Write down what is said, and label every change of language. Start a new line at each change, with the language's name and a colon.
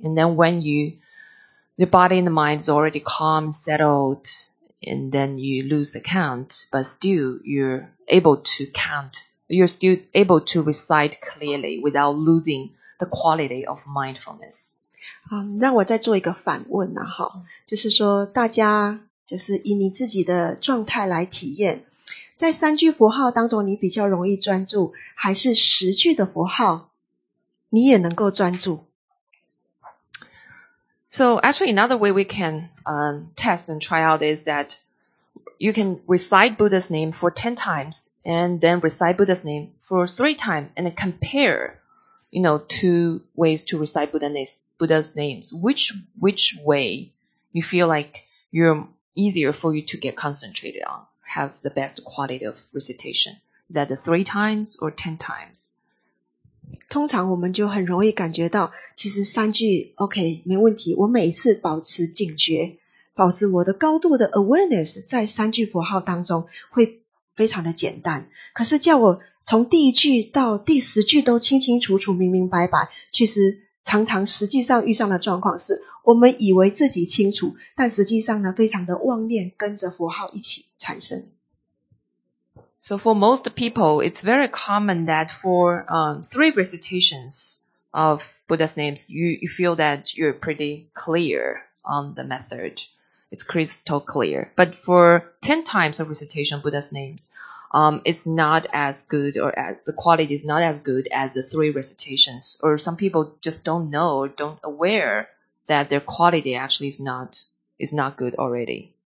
English: And then when the body and the mind is already calm, settled, and then you lose the count, but still you're able to count, you're still able to recite clearly without losing the quality of mindfulness.
Chinese: 让我再做一个反问啊，哈，就是说大家就是以你自己的状态来体验，在三句佛号当中你比较容易专注，还是十句的佛号你也能够专注？
English: So actually another way we can test and try out is that you can recite Buddha's name for 10 times and then recite Buddha's name for 3 times and compare, you know, two ways to recite Buddha's names, which way you feel like you're easier for you to get concentrated on, have the best quality of recitation. Is that the 3 times or 10 times?
Chinese: 通常我们就很容易感觉到其实三句 OK 没问题，我每次保持警觉，保持我的高度的 awareness 在三句佛号当中会非常的简单，可是叫我从第一句到第十句都清清楚楚明明白白，其实常常实际上遇上的状况是我们以为自己清楚，但实际上呢非常的妄念跟着佛号一起产生。
English: So for most people, it's very common that for 3 recitations of Buddha's names, you feel that you're pretty clear on the method. It's crystal clear. But for 10 times of recitation of Buddha's namesit's not as good or as the quality is not as good as the 3 recitations, or some people just don't know or don't aware that their quality actually is not good already.